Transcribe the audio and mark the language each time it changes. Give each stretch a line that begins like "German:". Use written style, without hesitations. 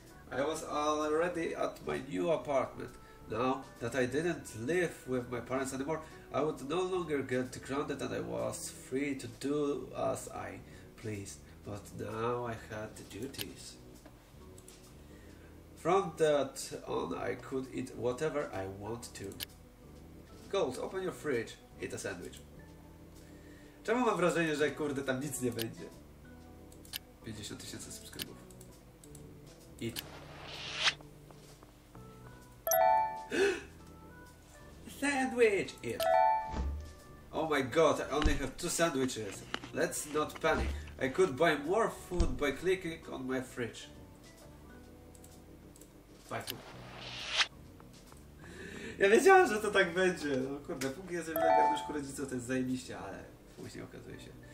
English: I was already at my new apartment. Now that I didn't live with my parents anymore, I would no longer get grounded and I was free to do as I pleased. But now I had the duties. From that on, I could eat whatever I want to. Gold, open your fridge, eat a sandwich.
Polish: Czemu mam wrażenie, że kurde tam nic nie będzie? 50 tysięcy subskrybów. Eat.
English: Sandwich, eat. Oh my god, I only have 2 sandwiches. Let's not panic. I could buy more food by clicking on my fridge.
Polish: Fajku. Ja wiedziałem, że to tak będzie. No kurde, póki jestem na garnuszku rodzicu, to jest zajebiście, ale później okazuje się.